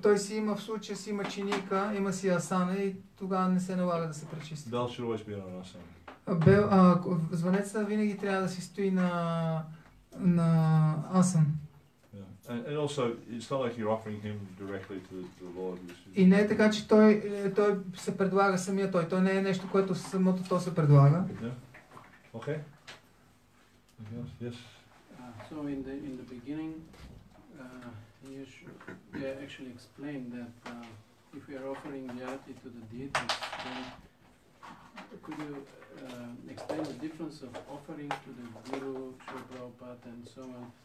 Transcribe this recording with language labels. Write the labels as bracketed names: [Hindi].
[Bulgarian] Той си има в случая си има чиника, има си асана и тогава не се налага да се пречисти. [English] Bell should always be on asan. [Bulgarian] Звънецът винаги трябва да си стои на асан. [English] And also, it's not like you're offering him directly to the Lord. [Bulgarian] И не е така, че той се предлага самия той. Той не е нещо, което самото то се предлага. [English] Yeah. Okay. Yes. So in the beginning, you should actually explain that if we are offering the arati to the deity, then could you explain the difference of offering to the guru, to Prabhupada, and so on?